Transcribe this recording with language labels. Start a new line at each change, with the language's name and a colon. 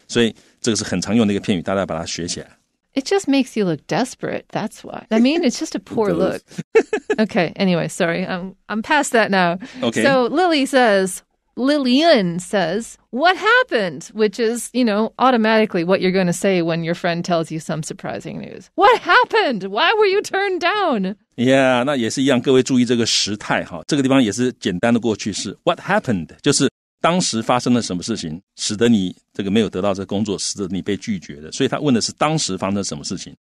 Chinese: 所以这个是很常用的一个片语，大家把它学起来。
English: It just makes you look desperate, that's why. I mean, it's just a poor look. Okay, anyway, sorry, I'm past that now. Okay. So Lillian says, what happened? Which is, you know, automatically what you're going to say when your friend tells you some surprising news. What happened? Why were you turned down?
Chinese: Yeah, 那也是一样，各位注意这个时态哈，这个地方也是简单的过去式。
English: What happened?
Chinese: 就是当时发生了什么事情使得你这个没有得到这个工作，使得你被拒绝的，所以他问的是当时发生什么事情。